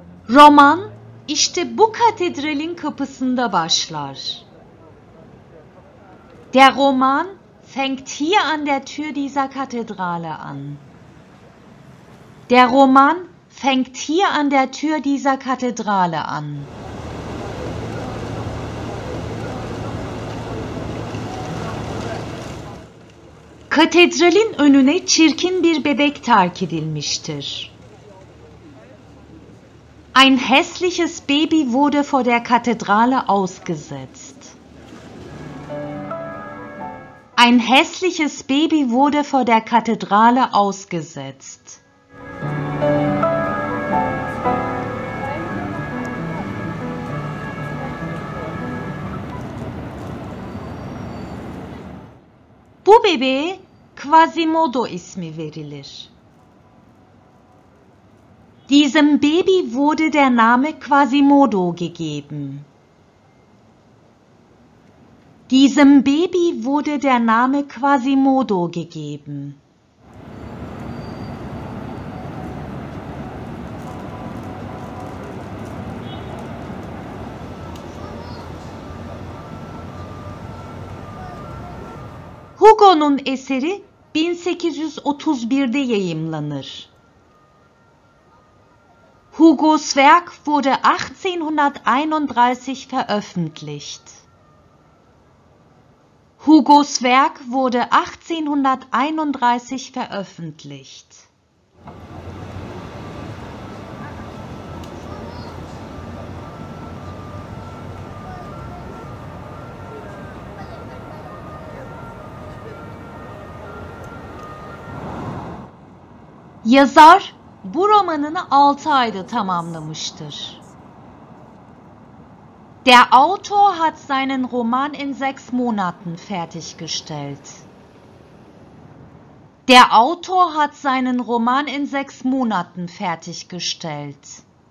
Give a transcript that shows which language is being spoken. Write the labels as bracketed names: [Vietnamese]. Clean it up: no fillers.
[Turkish] Roman işte bu katedralin kapısında başlar. [German] Der Roman fängt hier an der Tür dieser Kathedrale an. Der Roman fängt hier an der Tür dieser Kathedrale an. [Turkish] Kathedralin önüne çirkin bir bebek terk edilmiştir. [German] Ein hässliches Baby wurde vor der Kathedrale ausgesetzt. Ein hässliches Baby wurde vor der Kathedrale ausgesetzt. [Turkish] Bu bebeğe Quasimodo ismi verilir. [German] Diesem Baby wurde der Name Quasimodo gegeben. Diesem Baby wurde der Name Quasimodo gegeben. [Turkish] Hugo'nun eseri 1831'de yayımlanır. [German] Hugos Werk wurde 1831 veröffentlicht. Hugos Werk wurde 1831 veröffentlicht. [Turkish] Yazar bu romanını 6 ayda tamamlamıştır. [German] Der Autor hat seinen Roman in 6 Monaten fertiggestellt. Der Autor hat seinen Roman in 6 Monaten fertiggestellt.